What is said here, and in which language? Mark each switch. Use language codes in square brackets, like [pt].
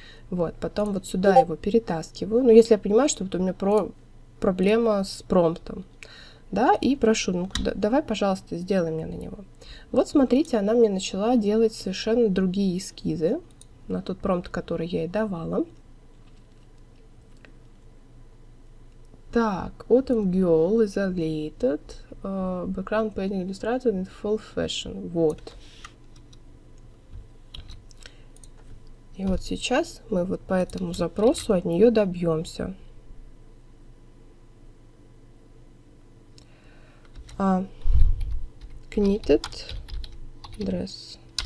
[ru] Вот, потом вот сюда его перетаскиваю. Ну, если я понимаю, что вот у меня проблема с промптом. Да, и прошу, ну, давай, пожалуйста, сделай мне на него. Вот, смотрите, она мне начала делать совершенно другие эскизы на тот промпт, который я ей давала. [en] Так, Autumn Girl is related. Background painting illustrated in full fashion. [ru] Вот. И вот сейчас мы вот по этому запросу от нее добьемся. [en] Knitted dress.